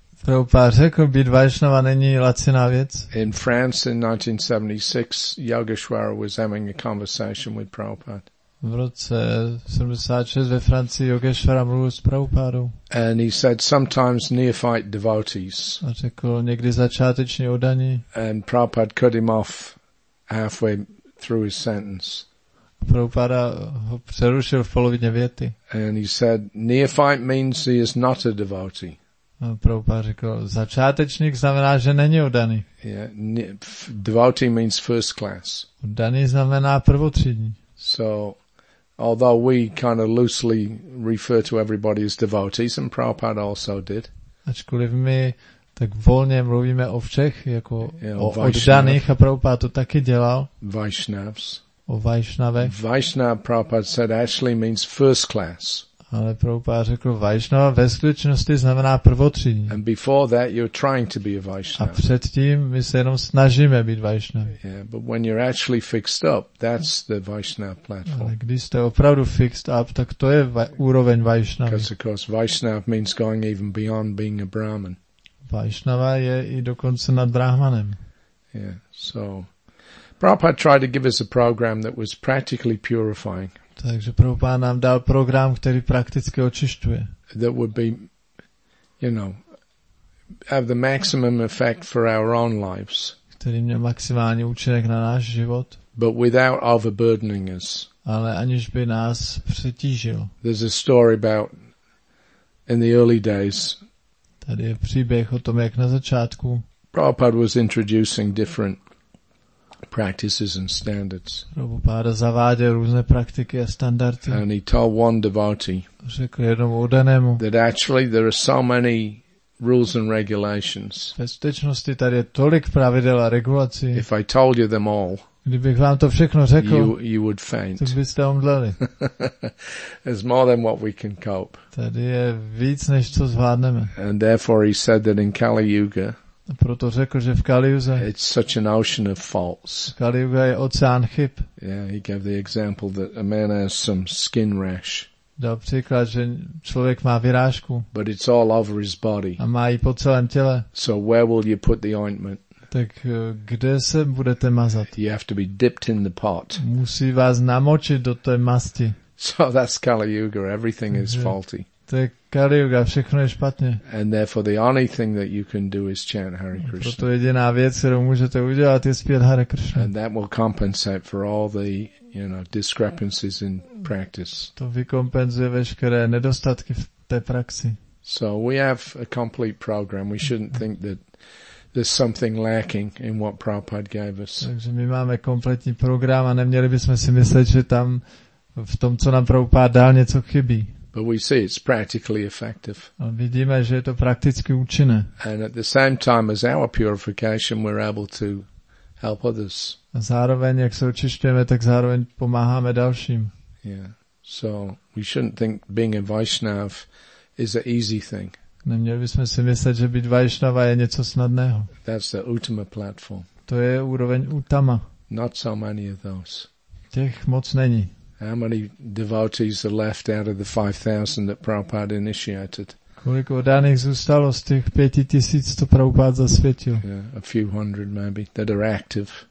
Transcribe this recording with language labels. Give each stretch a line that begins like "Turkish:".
Czech: Prabhupada řekl, být Vaishnava není laciná věc.
English: In France in 1976, Yogeshwara was having a conversation with Prabhupada.
Czech: V roce 76 ve Francii Yogeshwara mluvil s Prabhupadou.
English: And he said, sometimes neophyte devotees.
Czech: A řekl, někdy začáteční odaní.
English: And Prabhupada cut him off halfway through his sentence.
Czech: Prabhupada ho přerušil v polovině věty.
English: And he said, neophyte means he is not a devotee.
Czech: A Prabhupada řekl, začátečník znamená, že není oddaný.
English: Yeah, devotee means first class.
Czech: Oddaný znamená prvotřídní.
English: So, although we kind of loosely refer to everybody as devotees, and Prabhupada also did.
Czech: Ačkoliv my tak volně mluvíme o všech, jako yeah, o oddaných, a Prabhupada to taky dělal.
English: Vaishnavs.
Czech: O Vaishnavech.
English: Vaishnav, Prabhupada said, actually means first class.
Czech: Ale Prabhupada řekl, Vaishnava ve skutečnosti znamená prvotřídní.
English: And before that you're trying to be a Vaishnava.
Czech: A předtím my se jenom snažíme být Vaishnava.
English: Yeah, but when you're actually fixed up, that's the Vaishnava platform.
Czech: Ale když jste opravdu
English: fixed up,
Czech: tak to je úroveň Vaishnavy.
English: Because of course Vaishnava means going even beyond being a Brahman.
Czech: Vaishnava je i dokonce nad Brahmanem.
English: Yeah, so Prabhupada tried to give us a program that was practically purifying.
Czech: Takže Prabhupada nám dal program, který prakticky očišťuje.
English: That would be, you know, have the maximum effect for our own lives.
Czech: Který měl maximální účinek na náš život.
English: But without overburdening us.
Czech: Ale aniž by nás přetížil.
English: There's a story about in the early days.
Czech: Tady je příběh o tom, jak na začátku.
English: Prabhupada was introducing different practices and standards.
Czech: Prabhupada zaváděl různé praktiky a standardy.
English: And he told one devotee.
Czech: Řekl jednomu odanému.
English: That actually there are so many rules and regulations.
Czech: Ve skutečnosti tady je tolik pravidel a regulací.
English: If I told you them all.
Czech: Kdybych vám to všechno řekl.
English: You would faint.
Czech: Tak byste omdleli.
English: It's more than what we can cope.
Czech: Tady je víc, než co zvládneme.
English: And therefore he said that in Kali Yuga.
Czech: A proto řekl, že v Kali Yuga.
English: It's such an ocean of faults.
Czech: Kali Yuga je oceán chyb.
English: Yeah, he gave the example that a man has some skin rash.
Czech: Dal příklad, že člověk má vyrážku.
English: But it's all over his body.
Czech: A má ji po celém těle.
English: So where will you put the ointment?
Czech: Tak kde se budete mazat?
English: You have to be dipped in the pot.
Czech: Musí vás namočit do té masti.
English: So that's Kali Yuga, everything is faulty.
Czech: To je Kali Yuga, všechno je špatně.
English: And therefore the only thing that you can do is chant Hare Krishna.
Czech: Proto jediná věc, kterou můžete udělat, je zpět Hare Krishna.
English: And that will compensate for all the, you know, discrepancies in practice.
Czech: To vykompenzuje veškeré nedostatky v té praxi.
English: So we have a complete program. We shouldn't think that there's something lacking in what Prabhupada gave us.
Czech: Takže my máme kompletní program a neměli bychom si myslet, že tam v tom, co nám Prabhupada dal, něco chybí.
English: But we see it's practically effective.
Czech: A vidíme, že je to prakticky účinné.
English: And at the same time as our purification, we're able to help others.
Czech: A zároveň, jak se očišťujeme, tak zároveň pomáháme dalším.
English: Yeah. So we shouldn't think being a Vaishnav is an easy thing.
Czech: Neměli bychom si myslet, že být Vaishnava je něco snadného.
English: That's the Uttama platform.
Czech: To je úroveň Uttama.
English: Not so many of those.
Czech: Těch moc není.
English: How many devotees are left out of the 5,000 that Prabhupada initiated?
Czech: Kolik oddaných zůstalo z těch 5,000, co Prabhupada zasvětil?
English: Yeah, a few hundred maybe, that are active.